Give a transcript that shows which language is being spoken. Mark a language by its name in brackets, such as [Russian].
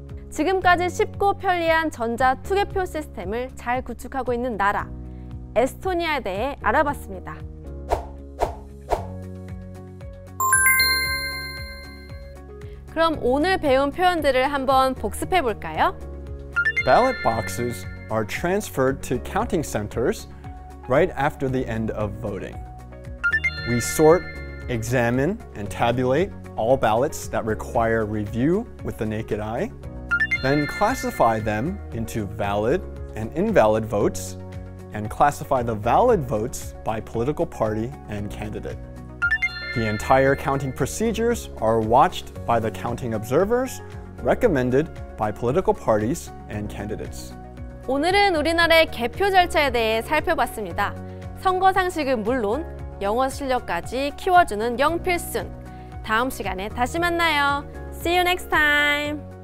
[Korean] 지금까지 쉽고 편리한 전자 투개표 시스템을 잘 구축하고 있는 나라, 에스토니아에 대해 알아봤습니다. 그럼 오늘 배운 표현들을 한번 복습해 볼까요? [English] Ballot boxes are transferred to counting centers right after the end of voting. We sort, examine, and tabulate all ballots that require review with the naked eye, then classify them into valid and invalid votes, and classify the valid votes by political party and candidate. The entire counting procedures are watched by the counting observers, recommended by political parties and candidates. [Korean] 오늘은 우리나라의 개표 절차에 대해 살펴봤습니다. 선거 상식은 물론 영어 실력까지 키워주는 영필순. 다음 시간에 다시 만나요. [English] See you next time.